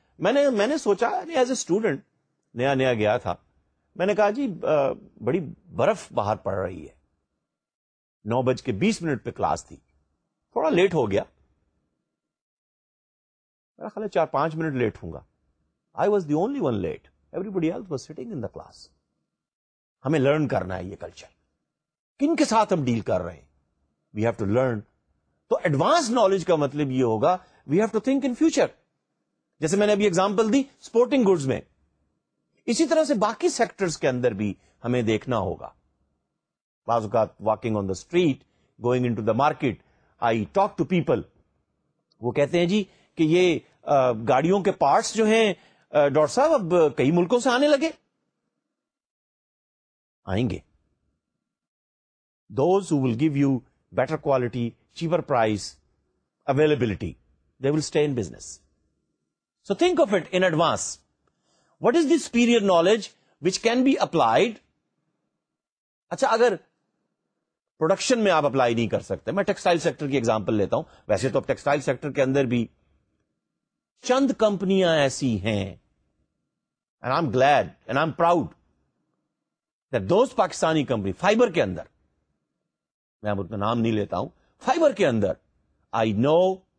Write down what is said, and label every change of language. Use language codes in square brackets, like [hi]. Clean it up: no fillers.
[ur] میں نے سوچا, [en] as a student [ur] نیا گیا تھا, میں نے کہا جی بڑی برف باہر پڑ رہی ہے, 9:20 پہ کلاس تھی, تھوڑا لیٹ ہو گیا, میرا خیال ہے 4-5 لیٹ ہوں گا. [en] I was the only one late, everybody else was sitting in the class. [ur] ہمیں لرن کرنا ہے یہ کلچر, کن کے ساتھ ہم ڈیل کر رہے ہیں, [en] We have to learn. تو advance knowledge [ur] کا مطلب یہ ہوگا [en] We have to think in future. [ur] جیسے میں نے ابھی ایگزامپل دی سپورٹنگ گڈز میں, اسی طرح سے باقی سیکٹرز کے اندر بھی ہمیں دیکھنا ہوگا. بعض اوقات [en] walking on the street, going into the market, I talk to people, [ur] وہ کہتے ہیں جی کہ یہ گاڑیوں کے پارٹس جو ہیں ڈاکٹر صاحب, اب کئی ملکوں سے آنے لگے. آئیں گے, [en] those who will give you better quality, cheaper price, availability, they will stay in business. So think of it in advance. What is the superior knowledge which can be applied? [ur] اچھا اگر پروڈکشن میں آپ apply نہیں کر سکتے, میں textile sector کی example لیتا ہوں, ویسے تو ٹیکسٹائل سیکٹر کے اندر بھی چند کمپنیاں ایسی ہیں, [en] and I am glad and I am proud that those [ur] Pakistani company fibre کے اندر, میں اب اتنا نام نہیں لیتا ہوں, فائبر کے اندر [en] I know